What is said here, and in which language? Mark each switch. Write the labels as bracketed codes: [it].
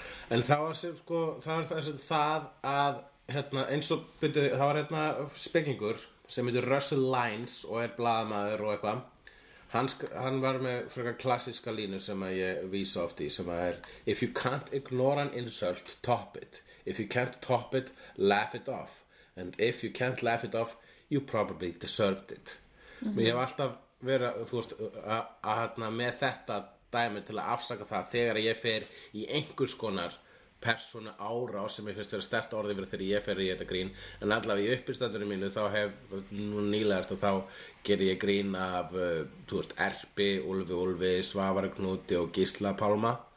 [is] en það var sem sko, það var þessi það að hérna, eins og byrju, það var hérna spekingur sem heitir Russell Lines og blaðamaður og eitthvað Hann var með frekar klassíska línu sem að ég vísa oft í sem að [en] If you can't ignore an insult, top it. If you can't top it, laugh it off. And if you can't laugh it off, you probably deserved it. Mm-hmm. [is] Ég hef alltaf verið þú veist, að með þetta dæmi til að afsaka það þegar ég fer í einhvers konar persónu ára sem ég finnst vera sterkt orðið verið þegar ég fer í þetta grín en allavega í uppistandurinn mínu þá hef nú nýlegast og þá gerir ég grín af, þú veist, Erpi Úlfi, Svavar Knúti og Gísla Pálma